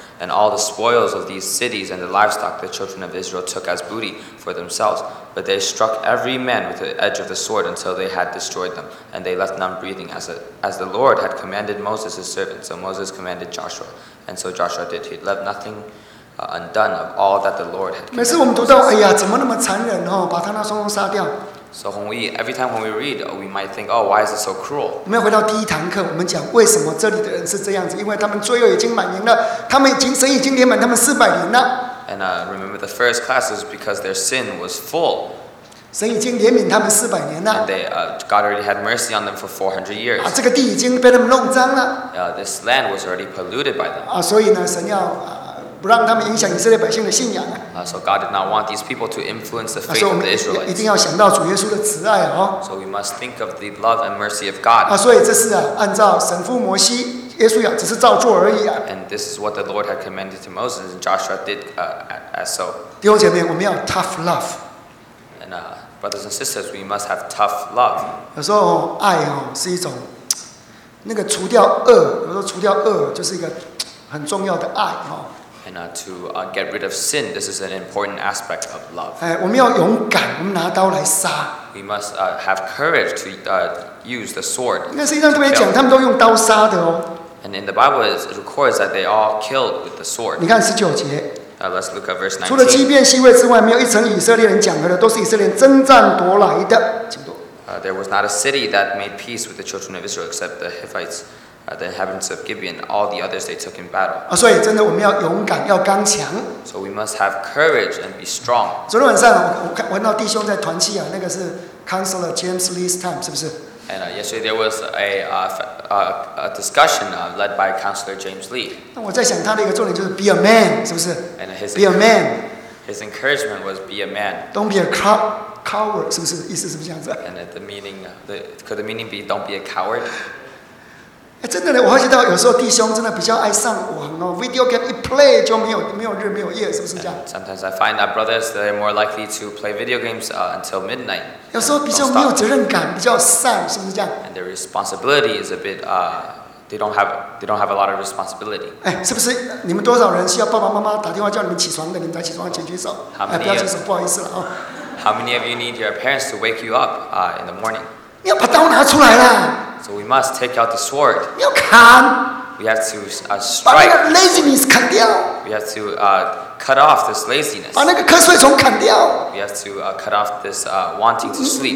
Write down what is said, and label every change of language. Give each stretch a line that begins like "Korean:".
English: And all the spoils of these cities and the livestock the children of Israel took as booty for themselves. But they struck every man with the edge of the sword until they had destroyed them. And they left none breathing as the Lord had commanded Moses his servant. So Moses commanded Joshua. And so Joshua did. He left nothing undone of all that the Lord had commanded.
Chinese: 每次我们读到，哎呀，怎么那么残忍哦，把他那双龙杀掉。
English: So when we, every time when we read, we might think, oh, why is it so cruel?
Chinese: 我们回到第一堂课，我们讲为什么这里的人是这样子，因为他们罪恶已经满盈了，他们已经神已经怜悯他们四百年了。
English: And remember the first class is because their sin was full.
Chinese: 神已经怜悯他们四百年了。
English: And they, God already had mercy on them for 400 years.
Chinese: 这个地已经被他们弄脏了。
English: This land was already polluted by them.
Chinese: 所以呢，神要不让他们影响以色列百姓的信仰啊。
English: So God did not want these people to influence the faith of the Israelites.
Chinese: 一定要想到主耶稣的慈爱哦。
English: So we must think of the love and mercy of God.
Chinese: 所以这是啊，按照神父摩西、耶稣亚只是照做而已啊。
English: And this is what the Lord had commanded to Moses and Joshua did as so.
Chinese: 弟兄姐妹，我们要
English: tough love. And brothers and sisters, we must have tough love.
Chinese: 有时候爱哦是一种那个除掉恶，有时候除掉恶就是一个很重要的爱哦。
English: And to get rid of sin, this is an important aspect of love.
Chinese: 我们要勇敢，我们拿刀来杀。
English: We must have courage to use the sword.
Chinese: 那实际上特别讲，他们都用刀杀的哦。
English: And in the Bible, it records that they all killed with the sword.
Chinese: 你看十九节。
English: Let's look at verse 19.
Chinese: 除了基遍、西位之外，没有一城以色列人讲和的，都是以色列人征战夺来的。请读。
English: There was not a city that made peace with the children of Israel except the Hivites. The inhabitants of Gibeon, all the others they took in battle.
Chinese: 所以真的我们要勇敢，要刚强。
English: So we must have courage and be strong.
Chinese: 昨天晚上我看到弟兄在团契啊，那个是
English: Counselor James Lee's time，
Chinese: 是不是
English: ？And yesterday there was a discussion led by Counselor James Lee.
Chinese: 那我在想他的一个重点就是
English: be a man，
Chinese: 是不是
English: ？And his be a man. His encouragement was be a man. Don't be a coward，
Chinese: 是不是？意思是不是这样子
English: ？And the meaning, could the meaning be don't be a coward？
Chinese: 真的呢，我发觉到有时候弟兄真的比较爱上网哦 ，
English: video game
Chinese: 一 play 就没有日没有夜，是不是这样
English: ？Sometimes I find that brothers they're more likely to play video games until midnight.
Chinese: 有时候比较没有责任感，比较丧，是不是这样
English: ？And their responsibility is a bit they don't have a lot of responsibility.
Chinese: 是不是你们多少人需要爸爸妈妈打电话叫你们起床的？你们才起床，请举手。不要举手，不好意思了啊。
English: How many of you need your parents to wake you up in the morning?
Chinese: 你要把刀拿出来啦。
English: So we must take out the sword.
Chinese: 你要砍。
English: We have to strike.
Chinese: 把那个 laziness 砍掉。
English: We have to cut off this laziness.
Chinese: 把那个瞌睡虫砍掉。
English: We have to cut off this wanting to sleep.